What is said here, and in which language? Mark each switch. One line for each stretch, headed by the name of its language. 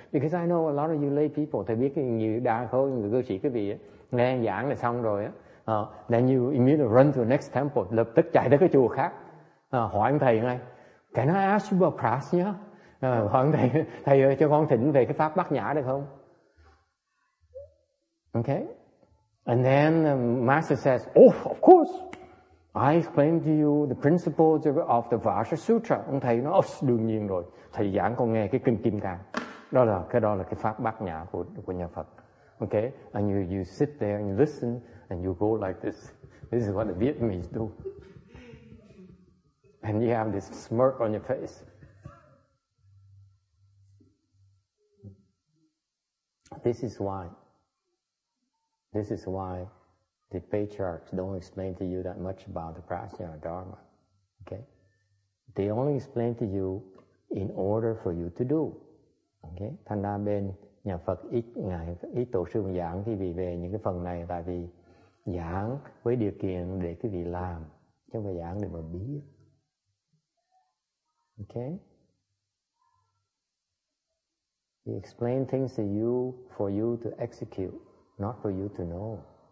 English: Because I know a lot of you lay people,
Vietnamese: thầy biết cái nhiều đa khối, người cư sĩ quý vị ấy, nghe giảng là xong rồi á.
English: Then you immediately run to the next temple,
Vietnamese: lập tức chạy tới cái chùa khác, hỏi ông thầy ngay,
English: can I ask you about prajna?
Vietnamese: Hỏi ông thầy, thầy ơi cho con thỉnh về cái pháp bát nhã được không?
English: Okay? And then the master says, oh, of course! I explained to you the principles of the Vajra Sutra.
Vietnamese: Ông thầy nói, oh, đương nhiên rồi. Thầy giảng con nghe cái kinh Kim Cang. Đó là cái pháp bát nhã của nhà Phật.
English: Okay? And you sit there and you listen and you go like this. This is what the Vietnamese do. And you have this smirk on your face. This is why the patriarchs don't explain to you that much about the prajna dharma, okay? They only explain to you in order for you to do, okay?
Vietnamese: Thành ra bên nhà Phật ít ngày ít tổ sư giảng thì vì về những cái phần này tại vì giảng với điều kiện để cái vị làm chứ không phải giảng để mà biết, okay?
English: They explain things to you for you to execute, not for you to know.